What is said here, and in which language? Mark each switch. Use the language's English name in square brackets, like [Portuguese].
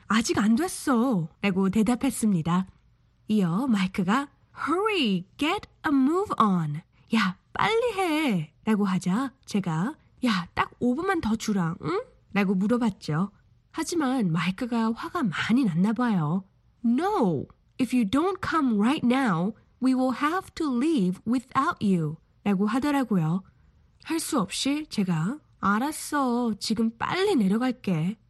[Korean] 아직 안 됐어. 라고 대답했습니다. 이어 마이크가 [English] Hurry, get a move on. [Korean] 야, 빨리 해. 라고 하자 제가 야, 딱 5분만 더 주라. 응? 라고 물어봤죠. 하지만 마이크가 화가 많이 났나 봐요. [English] No, if you don't come right now, we will have to leave without you. [Korean] 라고 하더라고요. 할 수 없이 제가 알았어, 지금 빨리 내려갈게.